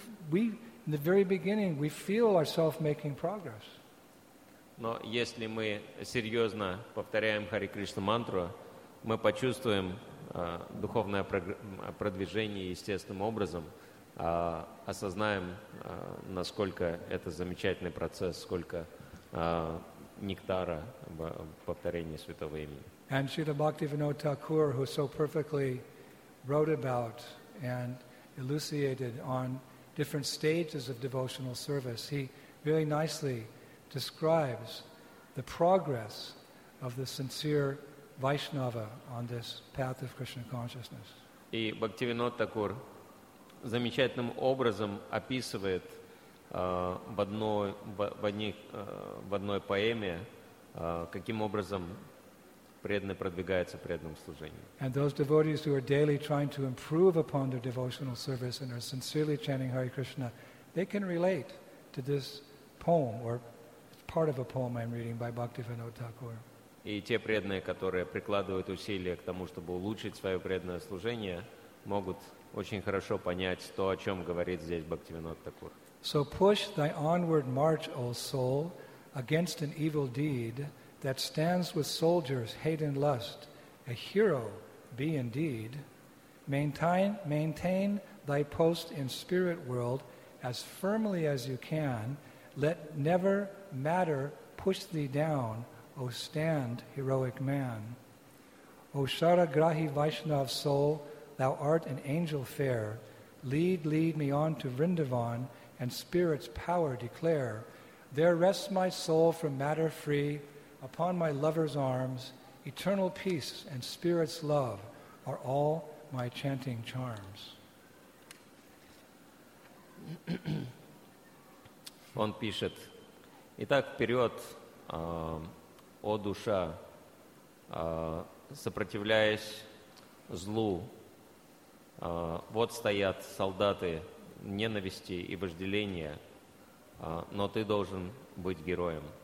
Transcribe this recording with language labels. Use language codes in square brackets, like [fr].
[en] We, in the very beginning, we feel ourselves making progress. [ru] Но если мы серьезно повторяем Hare Krishna мантру, мы почувствуем духовное продвижение естественным образом, осознаем, насколько это замечательный процесс, сколько нектара повторения святого имени. [en] And Śrīla Bhaktivinoda Thakura, who so perfectly wrote about and elucidated on different stages of devotional service, he very nicely describes the progress of the sincere Vaishnava on this path of Krishna consciousness. [ru] И Бхактивинод Такур замечательным образом описывает в одной поэме, каким образом преданный продвигается преданным служением. [en] And those devotees who are daily trying to improve upon their devotional service and are sincerely chanting Hare Krishna, they can relate to this poem, or it's part of a poem I'm reading by Bhaktivinoda Thakur. [ru] И те преданные, которые прикладывают усилия к тому, чтобы улучшить свое преданное служение, могут очень хорошо понять то, о чем говорит здесь Бхактивинод Такур. [en] So push thy onward march, O soul, against an evil deed that stands with soldiers, hate and lust. A hero be indeed. Maintain thy post in spirit world as firmly as you can. Let never matter push thee down, O stand, heroic man. O Sharagrahi Vaishnav soul, thou art an angel fair. Lead me on to Vrindavan, and spirit's power declare. There rests my soul from matter free, upon my lover's arms. Eternal peace and spirit's love are all my chanting charms. [ru] Он пишет: «Итак, вперед, о душа, сопротивляясь злу, вот стоят солдаты ненависти и вожделения, но ты должен быть героем.